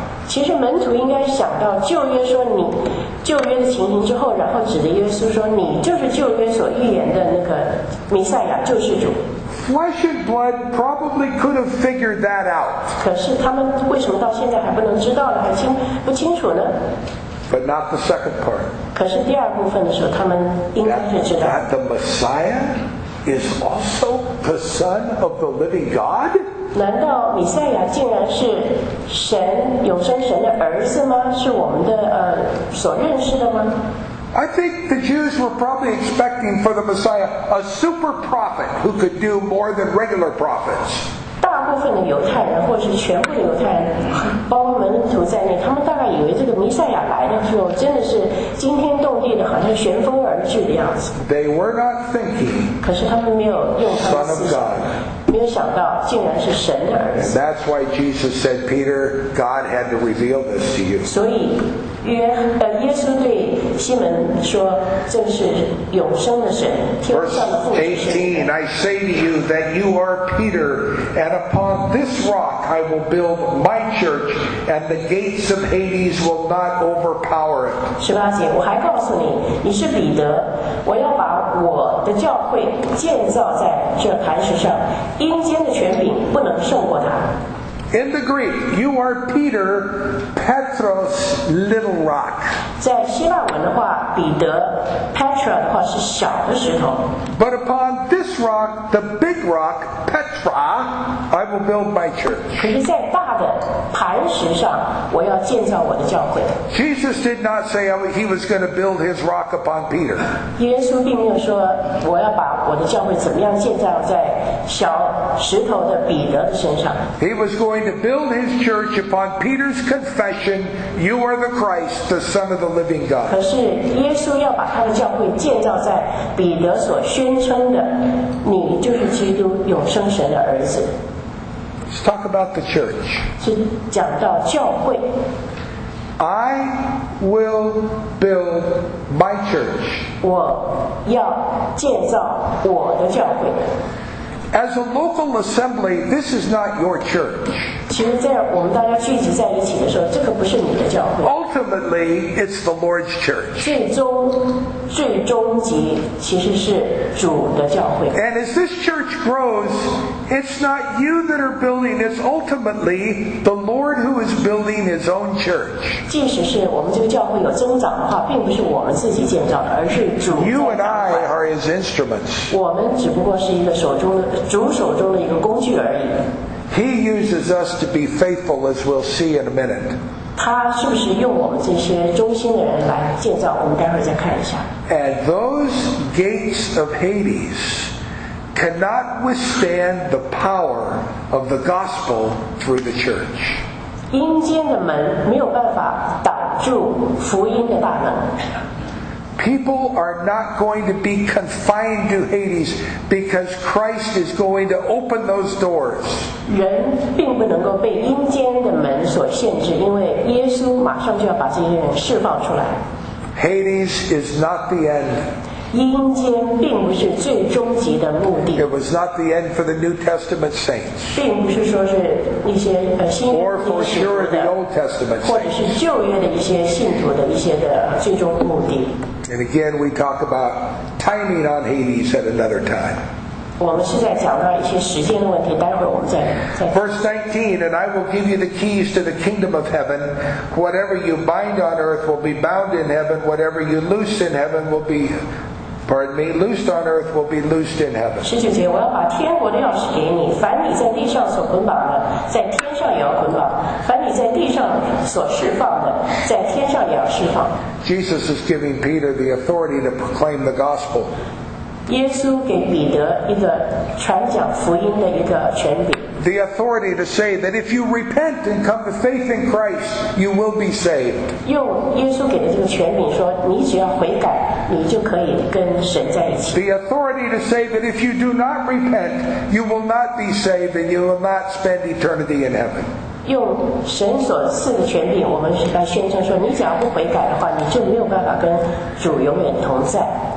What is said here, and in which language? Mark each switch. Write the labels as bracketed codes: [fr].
[zh] 其实门徒应该想到旧约说你旧约的情形之后，然后指着耶稣说你就是旧约所预言的那个弥赛亚救世主。 [en] Flesh and blood probably could have figured that out. [zh] 可是他们为什么到现在还不能知道呢？还清不清楚呢？ [en] But not the second part. [zh] 可是第二部分的时候，他们应该是知道。 [en] That the Messiah is also the Son of the Living God? [zh] 难道弥赛亚竟然是神永生神的儿子吗？是我们的所认识的吗？ [en] I think the Jews were probably expecting for the Messiah a super prophet who could do more than regular prophets. [zh] 大部分的犹太人或是全部的犹太人，包括门徒在内，他们大概以为这个弥赛亚来的时候真的是惊天动地的，好像旋风而至的样子。 [en] They were not thinking. [zh] 可是他们没有用他们的思想。没有想到竟然是神的儿子。 [en] And that's why Jesus said, Peter, God had to reveal this to you. [zh] 所以耶稣对西门说，这是永生的神，天上的父神。 [en] Verse 18, I say to you that you are Peter, and upon this rock I will build my church, and the gates of Hades will not overpower it. [zh] 十八节，我还告诉你，你是彼得，我要把我的教会建造在这磐石上，阴间的权柄不能胜过它。 [en] In the Greek, you are Peter, Petros, little rock. [zh] 在希腊文的话，彼得 ，Petra 的话是小的石头。 [en] But upon this rock, the big rock, Petra, I will build my church. [zh] 可是在大的磐石上，我要建造我的教会。 [en] Jesus did not say he was going to build his rock upon Peter. [zh] 耶稣并没有说我要把我的教会怎么样建造在小石头的彼得的身上。 [en] He was going to build his church upon Peter's confession, "You are the Christ, the Son of the Living God." [zh] 可是耶稣要把他的教会建造在彼得所宣称的，你就是基督，永生神的儿子。 [en] Let's talk about the church. [zh] 是讲到教会。 [en] I will build my church. [zh] 我要建造我的教会。 [en] As a local assembly, this is not your church. [zh] 其实在我们大家聚集在一起的时候，这个不是你的教会。 [en] Ultimately, it's the Lord's church. [zh] 最终极其实是主的教会。 [en] And as this church grows, it's not you that are building, it's ultimately the Lord who is building his own church. [zh] 即使是我们这个教会有增长的话，并不是我们自己建造的，而是主。 [en] You and I are his instruments. [zh] 我们只不过是一个手中的主手中的一个工具而已。 [en] He uses us to be faithful, as we'll see in a minute. [zh] 他是不是用我们这些忠心的人来建造？我们待会儿再看一下。 [en] And those gates of Hades cannot withstand the power of the gospel through the church. [zh] 阴间的门没有办法挡住福音的大能。 [en] People are not going to be confined to Hades because Christ is going to open those doors. [zh] 人并不能够被阴间的门所限制，因为耶稣马上就要把这些人释放出来。 [en] Hades is not the end. [zh] 阴间并不是最终极的目的。 [en] It was not the end for the New Testament saints. [zh] 并不是说是一些新约的。 [en] Or for sure the Old Testament saints. [zh] 或者是旧约的一些信徒的一些的最终目的。 [en] And again, we talk about timing on Hades at another time. Verse 19, and I will give you the keys to the kingdom of heaven. Whatever you bind on earth will be bound in heaven. Whatever you loose in heaven will be, pardon me, loosed on earth will be loosed in heaven. [zh] 十九节，我要把天国的钥匙给你。凡你在地上所捆绑的，在天上也要捆绑；凡你在地上所释放的，在天上也要释放。 [en] Jesus is giving Peter the authority to proclaim the gospel. [zh] 耶稣给彼得一个传讲福音的一个权柄。 [en] The authority to say that if you repent and come to faith in Christ, you will be saved. [zh] 用耶稣给的这个权柄说，你只要悔改，你就可以跟神在一起。 [en] The authority to say that if you do not repent, you will not be saved and you will not spend eternity in heaven. [zh] 用神所赐的权柄，我们来宣称说，你只要不悔改的话，你就没有办法跟主永远同在。